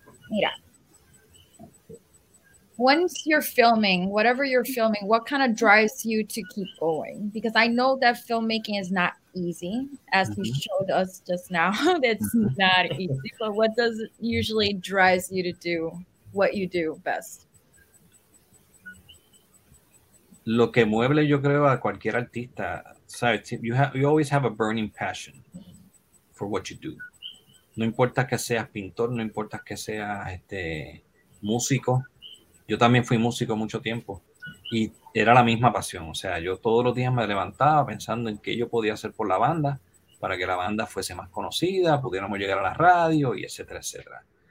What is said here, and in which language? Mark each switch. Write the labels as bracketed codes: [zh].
[en] Mira, once you're filming, whatever you're filming, what kind of drives you to keep going? Because I know that filmmaking is not easy, as mm-hmm. you showed us just now. It's not easy. But what does it usually drives you to do what you do best? [es] Lo que mueve, yo creo, a cualquier artista, ¿sabes? [en] You always have a burning passion for what you do. [es] No importa que seas pintor, no importa que seas músico. Yo también fui músico mucho tiempo y era la misma pasión. O sea, yo todos los días me levantaba pensando en qué yo podía hacer por la banda para que la banda fuese más conocida, pudiéramos llegar a la radio y etcétera, etcétera.